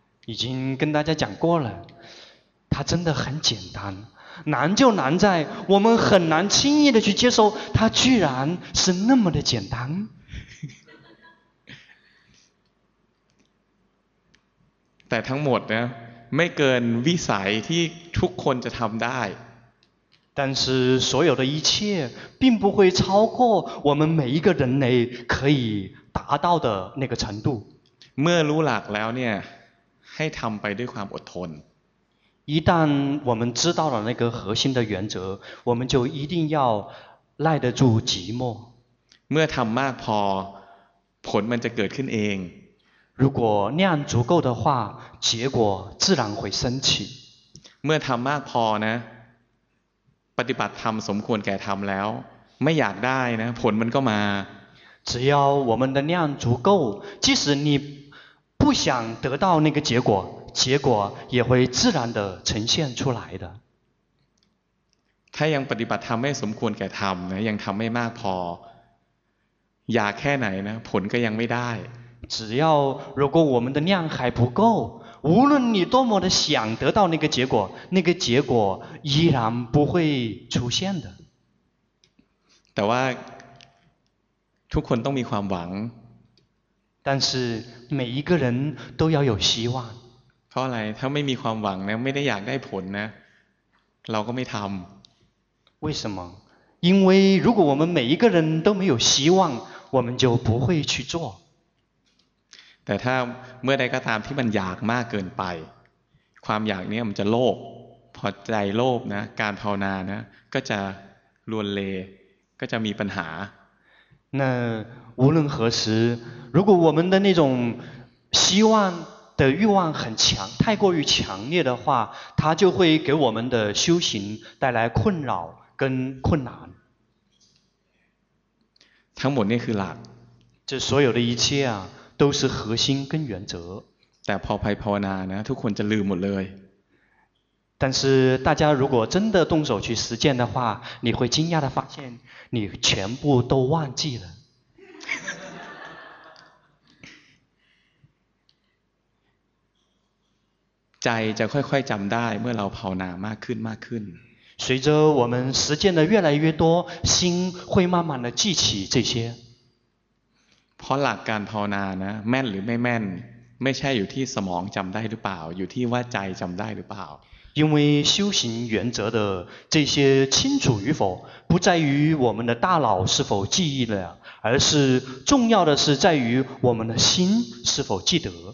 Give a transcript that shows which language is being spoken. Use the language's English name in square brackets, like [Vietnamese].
[Chinese] 已经跟大家讲过了它真的很简单难就难在我们很难轻易的去接受它居然是那么的简单 [Thai] แต่ทั้งหมดนะไม่เกินวิสัยที่ทุกคนจะทำได้ [Chinese] 但是所有的一切并不会超过我们每一个人类可以达到的那个程度 [Thai] เมื่อรู้หลักแล้วเนี่ยให้ทำไปด้วยความอดทน [Chinese] 一旦我们知道了那个核心的原则我们就一定要耐得住寂寞 [Thai] เมื่อทำมากพอผลมันจะเกิดขึ้นเอง [Chinese] 如果量足够的话结果自然会升起 [Thai] เมื่อทำมากพอนะปฏิบัติธรรมสมควรแก่ธรรมแล้วไม่อยากได้นะผลมันก็มา [Chinese] 只要我们的量足够即使你不想得到那个结果结果也会自然的呈现出来的 [Thai] ถ้ายังปฏิบัติธรรมไม่สมควรแก่ธรรมนะยังทำไม่มากพออยากแค่ไหนนะผลก็ยังไม่ได้ [Chinese] 只要如果我们的量还不够无论你多么的想得到那个结果那个结果依然不会出现的 [Thai] แต่ว่าทุกคนต้องมีความหวัง [Chinese] 但是每一个人都要有希望 [Thai] เพราะอะไรถ้าไม่มีความหวังนะไม่ได้อยากได้ผลนะเราก็ไม่ทำ [Chinese] 为什么？因为如果我们每一个人都没有希望，我们就不会去做。 [Thai] แต่ถ้าเมื่อใดก็ตามที่มันอยากมากเกินไปความอยากเนี้ยมันจะโลภพอใจโลภนะการภาวนานะก็จะลวนเลก็จะมีปัญหา [Chinese] 那无论何时如果我们的那种希望的欲望很强太过于强烈的话它就会给我们的修行带来困扰跟困难 [Thai] ทั้งหมดนี่คือหลัก [Chinese] 这所有的一切啊都是核心跟原则 [Thai] แต่พอไปภาวนานะทุกคนจะลืมหมดเลย [Chinese] 但是大家如果真的动手去实践的话你会惊讶地发现你全部都忘记了 [Thai] ใจจะค่อยๆจำได้เมื่อเราภาวนามากขึ้นมากขึ้น [Chinese] 随着我们实践的越来越多心会慢慢地记起这些 [Thai] เพราะหลักการภาวนานะแม่นหรือไม่แม่นไม่ใช่อยู่ที่สมองจำได้หรือเปล่าอยู่ที่ว่าใจจำได้หรือเปล่า [Chinese] 因为修行原则的这些清楚与否不在于我们的大脑是否记忆了而是重要的是在于我们的心是否记得